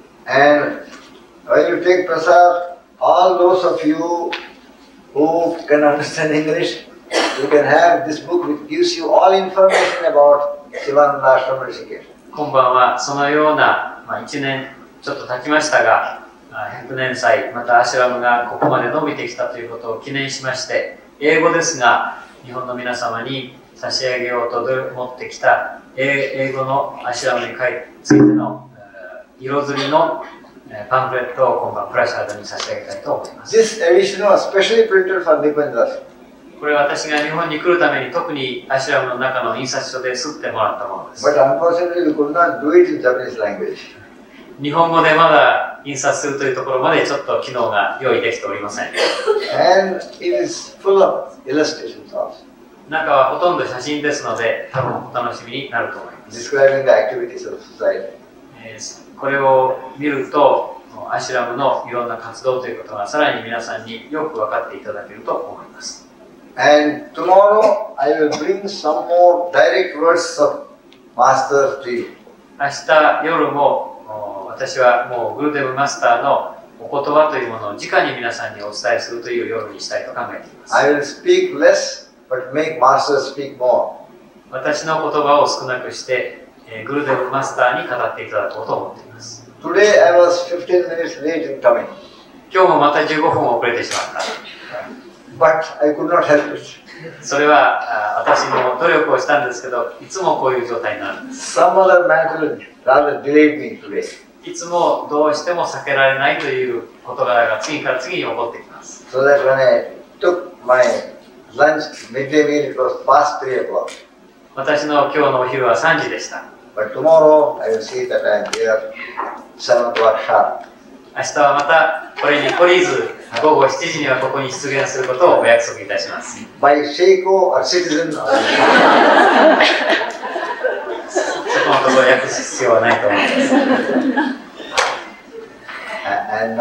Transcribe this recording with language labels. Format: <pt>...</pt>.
<en>And when you take prasad, all those of you who can understand English,You can have this book which gives you all information about Sivananda Ashram Rishikesh.</en> <ja>今晩はそのような、1年ちょっと経ちましたが、100年祭、またアシュラムがここまで伸びてきたということを記念しまして、英語ですが、日本の皆様に差し上げようと持ってきた英語のアシュラムについての色づりのパンフレットを今晩プラシャードに差し上げたいと思います。</ja> <en>This edition was specially printed for Nipunja.</en> <ja>これは私が日本に来るために特にアシュラムの中の印刷所で刷ってもらったものです。</ja> <en>But unfortunately, you could not do it in Japanese language.</en> <ja>日本語でまだ印刷するというところまでちょっと機能が用意できておりません。</ja> <en>And it is full of illustrations also.</en> <ja>中はほとんど写真ですので、多分お楽しみになると思います。</ja> <en>Describing the activities of society.</en> <ja>これを見ると、アシュラムのいろんな活動ということがさらに皆さんによく分かっていただけると思います。</ja> <en>And tomorrow I will bring some more direct verses of Master to you.</en> <ja>明日夜も私はもうグルデブマスターのお言葉というものを直に皆さんにお伝えするという夜にしたいと考えています。</ja> <en>I will speak less, but make Master speak more.</en> <ja>私の言葉を少なくしてグルデブマスターに語っていただこうと思っています。</ja> <en>Today I was 15 minutes late in coming.</en> <ja>今日もまた15分遅れてしまった。</ja> <en>But I could not help it.</en> <ja>それは私も努力をしたんですけど、いつもこういう状態になるんです。</ja> <en>Some other matter rather delayed me today.</en> <ja>いつもどうしても避けられないという事柄が次から次に起こってきます。</ja> <en>So that when I took my lunch, midday meal, it was past 3 o'clock.</en> <ja>私の今日のお昼は3時でした。</ja> <en>But tomorrow I will see that I am here 7 o'clock sharp.</en> <ja>明日はまたこれに懲りず午後7時にはここに出現することをお約束いたします。</ja> <en>By Sheiko or citizen</en> <ja>そこのところ訳す必要はないと思います。</ja>